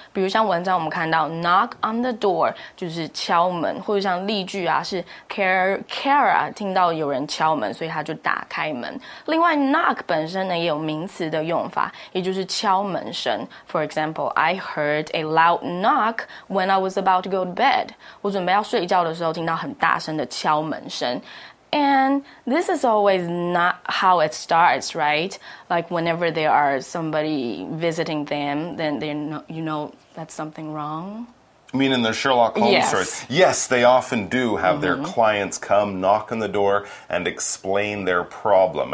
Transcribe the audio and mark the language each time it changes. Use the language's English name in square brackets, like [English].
[Chinese] 比如像文章我们看到 [English] knock on the door, [Chinese] 就是敲门，或者像例句啊，是 Kara 听到有人敲门，所以他就打开门。另外 knock 本身呢也有名词的用法，也就是敲门声。 [English] For example, I heard a loud knock when I was about to go to bed. [Chinese] 我准备要睡觉的时候听到很大声的敲门声。 [English] And this is always not how it starts, right? Like whenever there are somebody visiting them, then they know, you know that's something wrong. You mean in the Sherlock Holmes yes. stories? Yes, they often do have mm-hmm. their clients come knock on the door and explain their problem.